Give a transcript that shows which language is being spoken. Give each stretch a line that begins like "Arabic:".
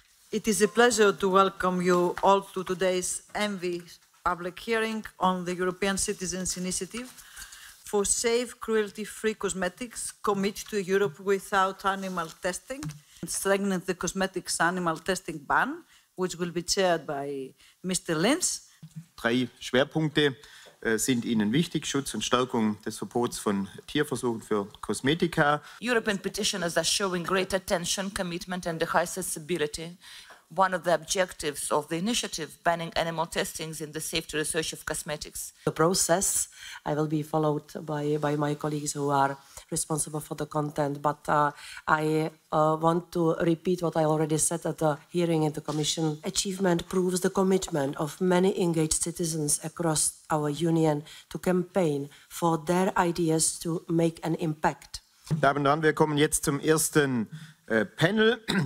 English: It is a pleasure to welcome you all to today's ENVI public hearing on the European Citizens' Initiative for Safe, Cruelty-Free Cosmetics, Commit to Europe Without Animal Testing, and Strengthen the Cosmetics Animal Testing Ban, which will be chaired by Mr. Linz.
German: Drei Schwerpunkte sind Ihnen wichtig, Schutz und Stärkung des Verbots von Tierversuchen für Kosmetika.
English: European petitioners are showing great attention, commitment and high sensibility. One of the objectives of the initiative banning animal testings in the safety research of cosmetics. The process, I will be followed by my colleagues who are responsible for the content, but I want to repeat what I already said at the hearing in the Commission. Achievement proves the commitment of many engaged citizens across our Union to campaign for their ideas to make an impact.
German: Damen und Herren, wir kommen jetzt zum ersten Panel.